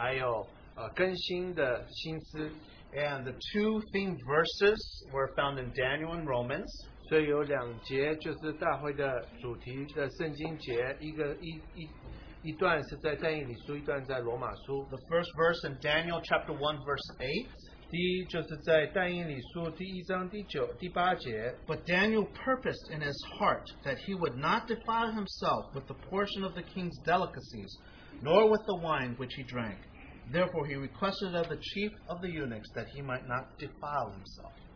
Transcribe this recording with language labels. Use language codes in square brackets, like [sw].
[zh] 所以大会的题目就是这个有旨意的心，还有更新的心思。 [en] And the two theme verses were found in Daniel and Romans. [zh] 所以有两节就是大会的主题的圣经节，一段是在但以理书，一段在罗马书。 [en] The first verse in Daniel chapter 1 verse 8. [zh] 第一就是在但以理书第一章第八节。 [en] But Daniel purposed in his heart that he would not defile himself with the portion of the king's delicacies, nor with the wine which he drank. Therefore, he requested of the chief of the eunuchs that he might not defile himself.